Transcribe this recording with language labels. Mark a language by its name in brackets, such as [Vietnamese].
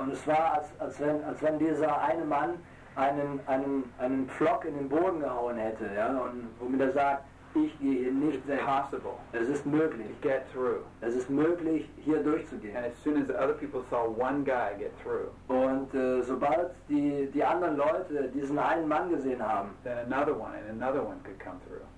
[German] Und es war als wenn dieser eine Mann einen Pflock in den Boden gehauen hätte, ja, und womit er sagt, ich gehe hier nicht weg. [English] Possible. [German] Es ist möglich. [English] To get through. [German] Es ist möglich, hier durchzugehen. [English] And as soon as the other people saw one guy get through. [German] Und sobald die anderen Leute diesen einen Mann gesehen haben. [English] Then another one and another one could come through.